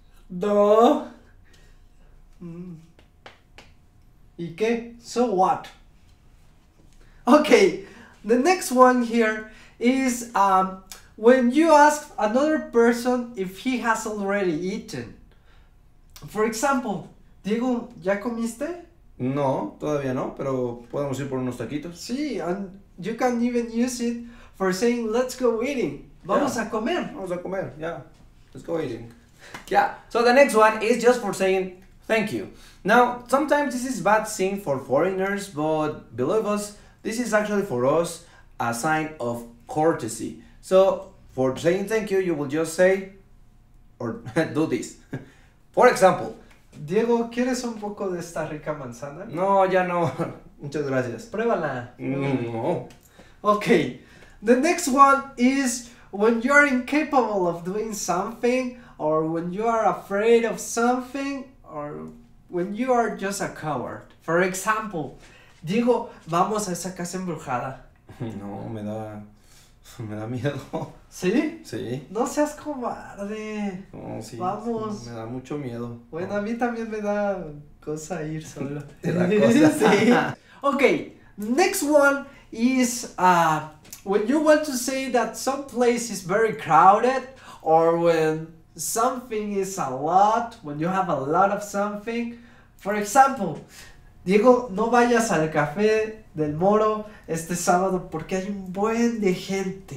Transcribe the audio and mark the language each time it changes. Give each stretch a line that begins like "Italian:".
Spanish: No. ¿Y qué?
English: So what? Okay, the next one here is when you ask another person if he has already eaten. For example, Diego,
Spanish: ¿ya comiste? No, todavía no, pero podemos ir por unos taquitos.
English: Sí, and you can even use it for saying, let's go eating.
Spanish: Vamos a comer. Vamos a comer,
English: yeah. Let's go eating. Yeah, so the next one is just for saying thank you. Now, sometimes this is bad seen for foreigners, but believe us, this is actually for us a sign of courtesy. So, for saying thank you, you will just say or do this. For example,
Spanish: Diego, ¿quieres un poco de esta rica manzana? No, ya no. Muchas gracias. Pruébala. No.
English: Okay, the next one is when you're incapable of doing something. Or when you are afraid of something, or when you are just a coward. For example,
Spanish: Diego, vamos a esa casa embrujada. No, me da miedo. ¿Sí? Sí. No seas cobarde. No, sí. Vamos. Me da mucho miedo. Bueno, a mí también me da cosa ir solo. ¿Te da cosa? Sí.
English: Okay, next one is when you want to say that some place is very crowded, or when... something is a lot, when you have a lot of something. For example,
Spanish: Diego, no vayas al café del Moro este sábado porque hay un buen de gente.